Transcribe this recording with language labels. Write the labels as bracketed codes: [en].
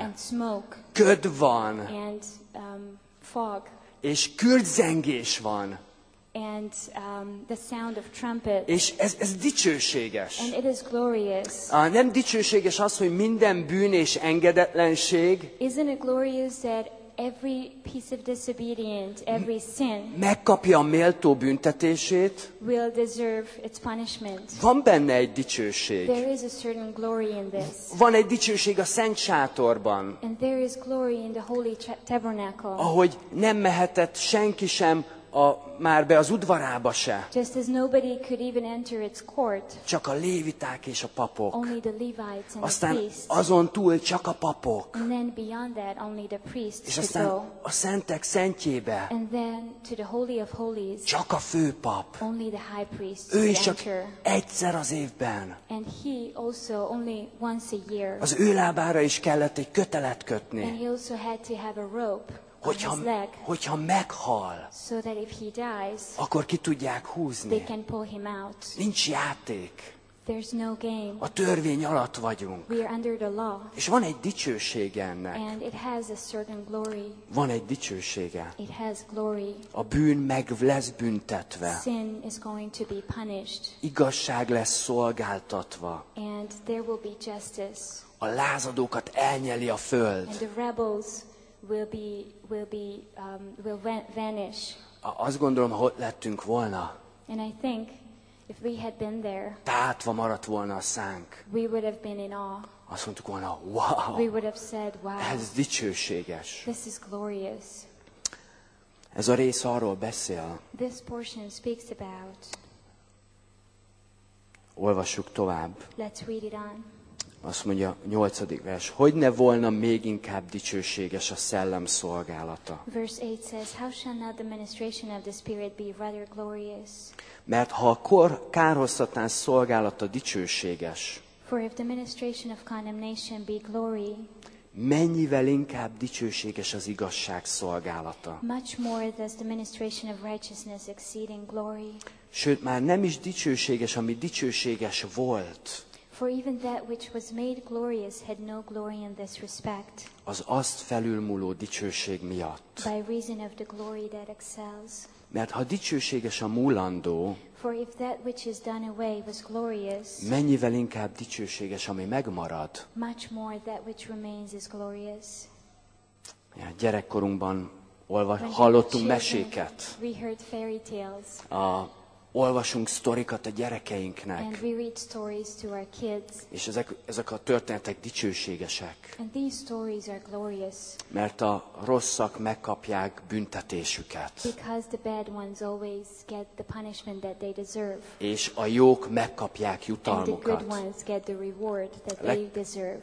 [en] And smoke. [hu] Köd van. [en] And fog. [hu] És kürtzengés van. [en] And the sound of trumpet. [hu] És ez dicsőséges. [en] And it is glorious. [hu] Nem dicsőséges az, hogy minden bűn és engedetlenség. [en] Isn't it glorious that every piece of disobedience, every sin, [hu] megkapja a méltó büntetését, [en] will deserve its punishment. [hu] Van benne egy dicsőség. [en] There is a certain glory in this. [hu] Van egy dicsőség a szent sátorban. [en] And there is glory in the holy tabernacle. [hu] Ahogy nem mehetett senki sem már be az udvarába se. [en] Just as nobody could even enter its court. [hu] Csak a léviták és a papok. [en] Only the Levites and [hu] aztán [en] the priests. [hu] Aztán azon túl csak a papok. [en] And then beyond that only the priests. [hu] És aztán a szentek szentjébe. [en] And then to the holy of holies. [hu] Csak a főpap. [en] Only the high priest. [hu] Ő is csak egyszer az évben. [en] And he also only once a year. [hu] Az ő lábára is kellett egy kötelet kötni. [en] And he also had to have a rope. [hu] Hogyha meghal, [en] so that if he dies, [hu] akkor ki tudják húzni. [en] They can pull him out. [hu] Nincs játék. [en] There's no game. [hu] A törvény alatt vagyunk. [en] We are under the law. [hu] És van egy dicsősége ennek. [en] And it has a certain glory. [hu] Van egy dicsősége. [en] It has glory. [hu] A bűn meg lesz büntetve. [en] Sin is going to be punished. [hu] Igazság lesz szolgáltatva. [en] And there will be justice. [hu] A lázadókat elnyeli a föld. [en] And the rebels will vanish. [hu] Azt gondolom, ha ott lettünk volna. [en] And I think if we had been there. [hu] Tátva maradt volna a szánk. [en] We would have been in awe. [hu] Azt mondtuk volna, wow. [en] We would have said, wow. [hu] Ez dicsőséges. [en] This is glorious. [hu] Ez a rész arról beszél. [en] This portion speaks about. [hu] Olvassuk tovább. [en] Let's read it on. [hu] Azt mondja, 8. vers. Hogy ne volna még inkább dicsőséges a szellem szolgálata? [en] Verse 8 says, how shall not the ministration of the Spirit be rather glorious? [hu] Mert ha a kor kárhoztatás szolgálata dicsőséges, [en] for if the ministration of condemnation be glory, [hu] mennyivel inkább dicsőséges az igazság szolgálata? [en] Much more does the ministration of righteousness exceed in glory. [hu] Sőt, már nem is dicsőséges, ami dicsőséges volt. [en] For even that which was made glorious had no glory in this respect. [hu] Az azt felülmúló dicsőség miatt. [en] By reason of the glory that excels. [hu] Mert ha dicsőséges a múlandó, [en] for if that which is done away was glorious, [hu] mennyivel inkább dicsőséges, ami megmarad. [en] Much more that which remains is glorious. [hu] Ja, gyerekkorunkban hallottunk meséket. [en] We heard fairy tales. [hu] Olvasunk sztorikat a gyerekeinknek. [en] And we read stories to our kids. [hu] És ezek a történetek dicsőségesek. [en] And these stories are glorious. [hu] Mert a rosszak megkapják büntetésüket. [en] Because the bad ones always get the punishment that they deserve. [hu] És a jók megkapják jutalmukat. [en] And the good ones get the reward that they deserve.